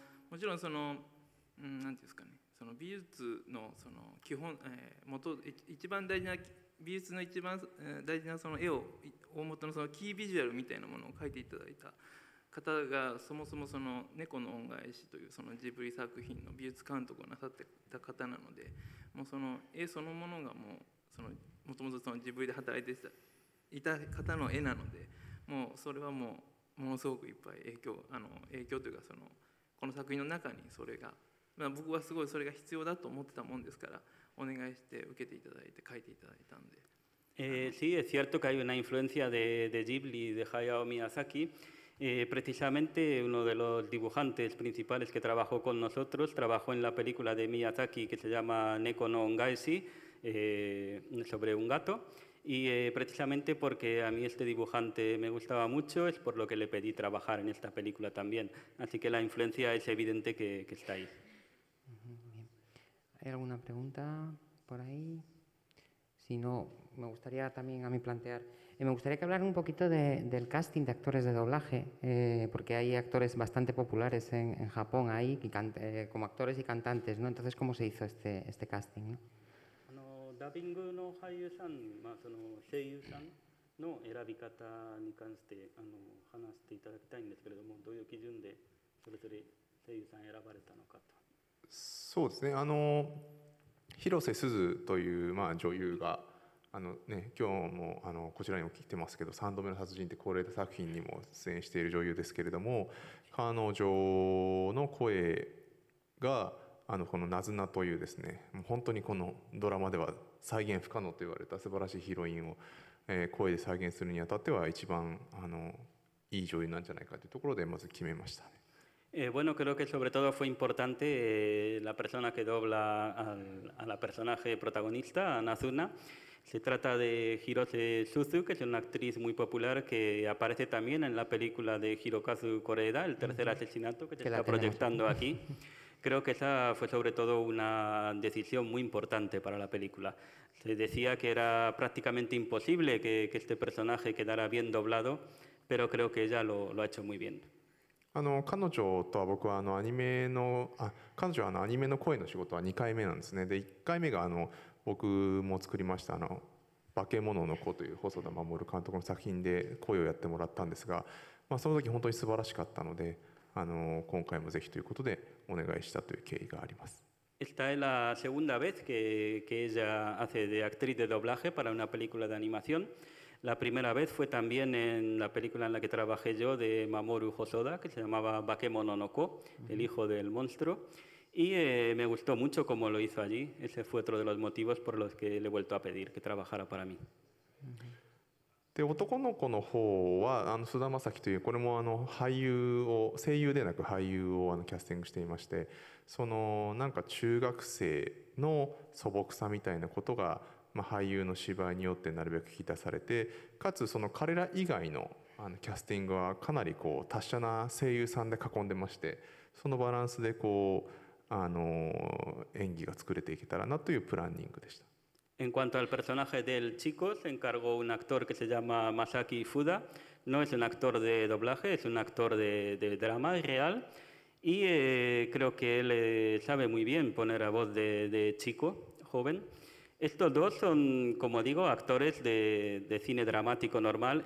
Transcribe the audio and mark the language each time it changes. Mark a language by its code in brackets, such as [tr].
[ja] もちろんその何て言うんですかね、その美術のその基本、元一番大事な美術の一番大事なその絵を大元のそのキービジュアルみたいなものを描いていただいた方が、そもそもその猫の恩返しというそのジブリ作品の美術監督をなさってた方なので、もうその絵そのものがもうそのもともとそのジブリで働いていた方の絵なので、もうそれはもうものすごくいっぱい影響というか、そのこの作品の中にそれが、僕はすごいそれが必要だと思ってたもんですから、お願いして受けていただいて書いていただいたんで。 [es] Sí, es cierto que hay una influencia de Ghibli y de Hayao Miyazaki. Precisamente uno de los dibujantes principales que trabajó con nosotros trabajó en la película de Miyazaki que se llama Neko no Ongaeshi, sobre un gato. Y precisamente porque a mí este dibujante me gustaba mucho, es por lo que le pedí trabajar en esta película también. Así que la influencia es evidente que está ahí. Bien. ¿Hay alguna pregunta por ahí? Si no, me gustaría también a mí plantear... me gustaría que hablaran un poquito del casting de actores de doblaje, porque hay actores bastante populares en Japón ahí, como actores y cantantes, ¿no? Entonces, ¿cómo se hizo este casting, ¿no? [ja] ダビングの俳優さん、その声優さんの選び方に関して話していただきたいんですけれども、どういう基準でそれぞれ声優さん選ばれたのかと。そうですね、広瀬すずという、女優が今日もこちらにも来てますけど、3度目の殺人って恒例作品にも出演している女優ですけれども、彼女の声がこのナズナというですね、もう本当にこのドラマでは再現不可能と言われた素晴らしいヒロインを声で再現するにあたっては一番いい女優なんじゃないかというところでまず決めましたね。 [es] Bueno, creo que sobre todo fue importante la persona que dobla a la personaje protagonista, Nazuna. Se trata de Hirose Suzu, que es una actriz muy popular que aparece también en la película de Hirokazu Koreeda, El tercer asesinato, que se está proyectando aquí. Creo que esa fue sobre todo una decisión muy importante para la película. Se decía que era prácticamente imposible que este personaje quedara bien doblado, pero creo que ella lo ha hecho muy bien. [ja] 彼女とは僕はアニメの、彼女はアニメの声の仕事は2回目なんですね。で、1回目が僕も作りました、化け物の子という細田守監督の作品で声をやってもらったんですが、まあ、その時本当に素晴らしかったので今回もぜひということでお願いしたという経緯があります。 [es] Esta es la segunda vez que ella hace de actriz de doblaje para una película de animación. La primera vez fue también en la película en la que trabajé yo de Mamoru Hosoda, que se llamaba Bakemono no Ko, el hijo del monstruo. Y me gustó mucho cómo lo hizo allí. Ese fue otro de los motivos por los que le he vuelto a pedir que trabajara para mí. [ja] で男の子の方は菅田将暉というこれも俳優を声優でなく俳優をキャスティングしていまして、そのなんか中学生の素朴さみたいなことが、まあ、俳優の芝居によってなるべく引き出されて、かつその彼ら以外 のキャスティングはかなりこう達者な声優さんで囲んでまして、そのバランスでこう演技が作れていけたらなというプランニングでした。 [es] En cuanto al personaje del chico, se encargó un actor que se llama Masaki Fuda. No es un actor de doblaje, es un actor de drama real. Y creo que él sabe muy bien poner a voz de chico, joven. Estos dos son, como digo, actores de cine dramático normal.